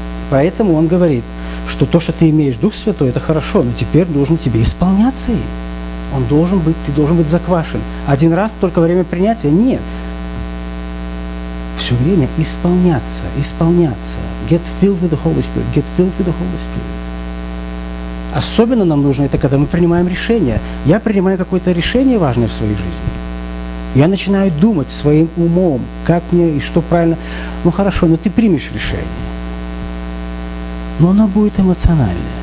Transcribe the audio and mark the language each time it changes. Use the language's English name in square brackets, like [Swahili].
[Russian] Поэтому он говорит, что то, что ты имеешь Дух Святой – это хорошо, но теперь должен тебе исполняться им. Он должен быть, ты должен быть заквашен. Один раз только время принятия? Нет. Все время исполняться, исполняться. [English] Get filled with the Holy Spirit, get filled with the Holy Spirit. [Russian] Особенно нам нужно это, когда мы принимаем решение. Я принимаю какое-то решение важное в своей жизни. Я начинаю думать своим умом, как мне и что правильно. Ну хорошо, но ты примешь решение. Но оно будет эмоциональное.